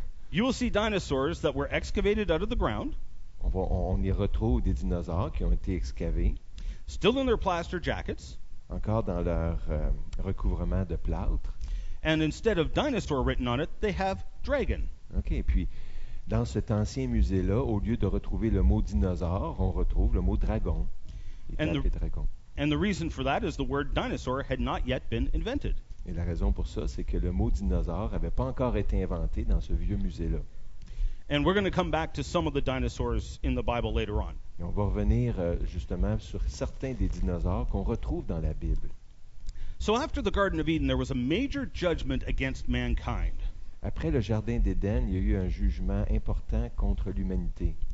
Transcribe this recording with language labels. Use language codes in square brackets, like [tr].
[en] you will see dinosaurs that were excavated out of the ground. [fr] On y retrouve des dinosaures qui ont été excavés. [en] Still in their plaster jackets. [fr] Encore dans leur recouvrement de plâtre. [en] And instead of dinosaur written on it, they have dragon. [fr] OK, puis dans cet ancien musée-là, au lieu de retrouver le mot dinosaure, on retrouve le mot dragon. [en] And the reason for that is the word dinosaur had not yet been invented. [fr] Et la raison pour ça, c'est que le mot dinosaure n'avait pas encore été inventé dans ce vieux musée-là. [en] And we're going to come back to some of the dinosaurs in the Bible later on. [fr] Et on va revenir justement sur certains des dinosaures qu'on retrouve dans la Bible. [en] So after the Garden of Eden, there was a major judgment against mankind. [fr] Après le Jardin d'Éden, il y a eu un jugement important contre l'humanité.